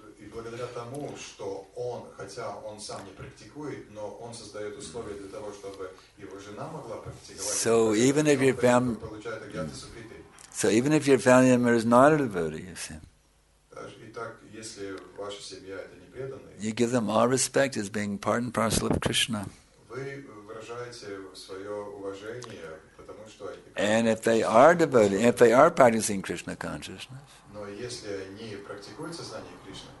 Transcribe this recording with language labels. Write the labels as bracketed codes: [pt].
[ru] Благодаря тому, что он, хотя он сам не практикует, но он создает условия для того, чтобы его жена могла практиковать. [en] So even if your family member is not a devotee, you see. [ru] Итак, если ваша семья это не преданная, [en] you give them all respect as being part and parcel of Krishna. [ru] Вы выражаете свое уважение, потому что они. [en] And if they are devotee, if they are practicing Krishna consciousness. [ru] Но если они практикуют сознание Кришны.